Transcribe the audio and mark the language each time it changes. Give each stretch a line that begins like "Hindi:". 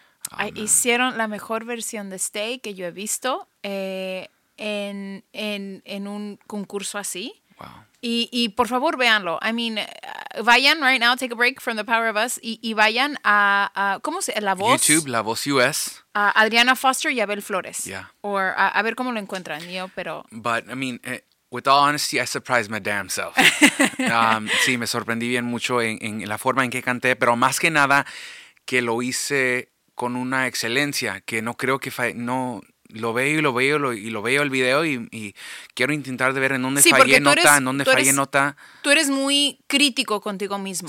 Spanish: Oh, hicieron la mejor versión de Stay que yo he visto en un concurso así. Wow. Y por favor, véanlo.
English: I mean,
Spanish: vayan
English: right now, take a break from
Spanish: The Power of Us y vayan a ¿cómo se La Voz? YouTube, La Voz US. A Adriana Foster y Abel Flores.
English: Yeah.
Spanish: Or a ver cómo lo encuentran, yo, pero...
English: But, I mean... With all honesty, I surprised my damn self.
Spanish: sí, me sorprendí bien mucho en la forma en que canté, pero más que nada que lo hice con una excelencia, que no creo que no lo veo y lo veo y lo veo el video y quiero intentar de ver en dónde fallé nota, en dónde fallé nota. Tú eres muy crítico contigo mismo.